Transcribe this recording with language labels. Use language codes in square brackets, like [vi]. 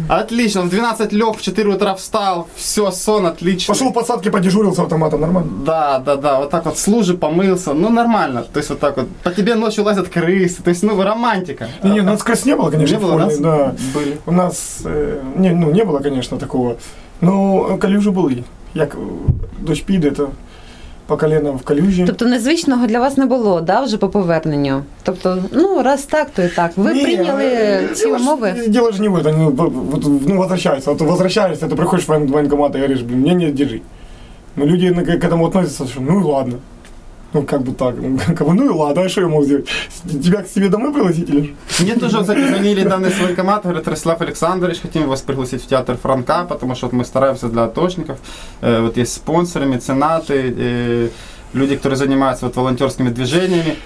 [ru] Отлично. В 12 лег, в 4 утра встал. Все, сон отлично. Пошел в подсадки, подежурился автоматом. Нормально? Да. Вот так вот служи, помылся. Ну, нормально. То есть вот так вот. По тебе ночью лазят крысы. То есть, ну, романтика. Не, у нас крыс не было, конечно. Не было, у нас? Да. Были. У нас не было, конечно, такого. [uk] Ну, калюжи були, як дощ піде, то по колено в калюжі. Тобто незвичного для вас не було, да, вже по поверненню? Тобто, ну, раз так, то і так. Ви прийняли ці умови? Діло ж не в цьому, [ru] ну, возвращайся. [uk] От возвращайся, ти приходиш в воєнкомат і говориш, блін, ні, держи. [ru] Ну, люди к этому относятся, що ну, ладно. Ну, как бы так. Ну и ладно, а что я мог сделать? Тебя к себе домой пригласить или что? Мне тоже звонили данный свой команд, говорят, Ростислав Александрович, хотим вас пригласить в театр Франка, потому что вот мы стараемся для атошников. Вот есть спонсоры, меценаты, люди, которые занимаются вот волонтерскими движениями.